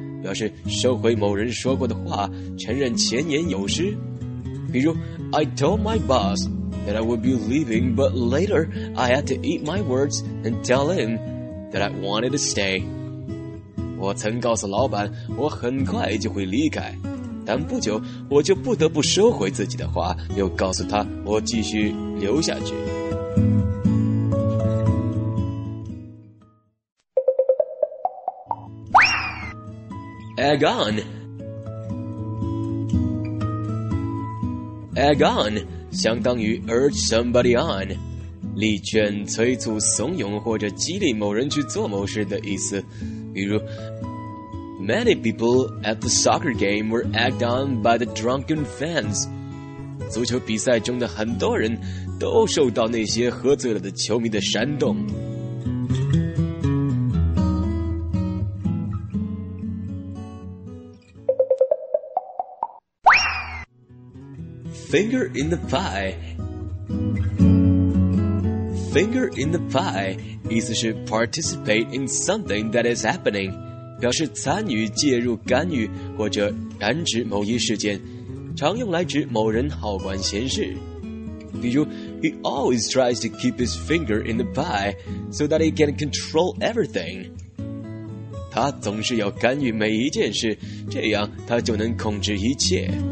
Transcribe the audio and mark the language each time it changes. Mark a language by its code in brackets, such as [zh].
[zh] 表示收回某人说过的话，承认前言有失。比如 [en] I told my boss that I would be leaving, but later I had to eat my words and tell him that I wanted to stay. [zh] 我曾告诉老板我很快就会离开。但不久我就不得不收回自己的话，又告诉他我继续留下去。 [en] Egg on. [zh] Egg on 相当于 [en] urge somebody on， [zh] 力劝、催促、怂恿或者激励某人去做某事的意思。比如 [en] Many people at the soccer game were egged on by the drunken fans. [zh] 足球比赛中的很多人都受到那些喝醉了的球迷的煽动。 [en] Finger in the pie. Finger in the pie [zh] 意思是 [en] participate in something that is happening. [zh] 表示参与、介入、干预或者染指某一事件，常用来指某人好管闲事。比如 [en] He always tries to keep his finger in the pie so that he can control everything. [zh] 他总是要干预每一件事，这样他就能控制一切。